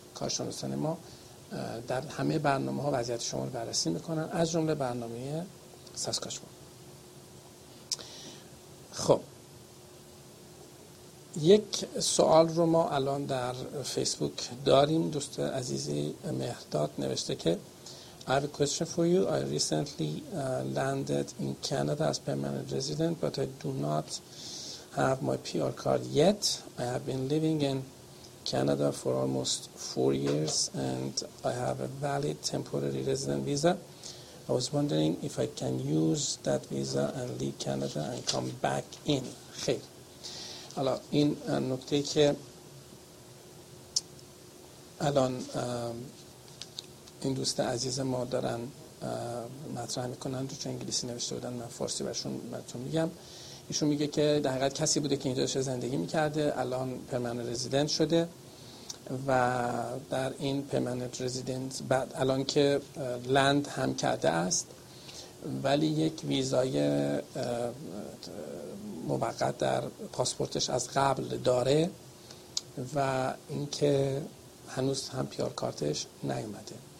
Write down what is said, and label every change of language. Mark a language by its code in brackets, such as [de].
[fa] کارشناسان ما در همه برنامه ها وضعیت شما رو بررسی میکنن از جمله برنامه ساسکاچوان. خب یک سوال رو ما الان در فیسبوک داریم. دوست عزیزی مهرداد نوشته که [en] I have a question for you. I recently landed in Canada as permanent resident but I do not have my PR card yet. I have been living in Canada for almost 4 years and I have a valid temporary resident visa. I was wondering if I can use that visa and leave Canada and come back in. [fa] خیر. حالا این نکته که الان این دوست عزیز ما دارن مطرح میکنن رو چون انگلیسی نوشته بودن من فارسی برشون براتون میگم. ایشون میگه که در حقیقت کسی بوده که اینجا داشته زندگی میکرده، الان پرمننت رزیدنت شده و در این پرمننت رزیدنت بعد الان که لند هم کرده است ولی یک ویزای موقت در پاسپورتش از قبل داره و اینکه هنوز هم پیار کارتش نیومده.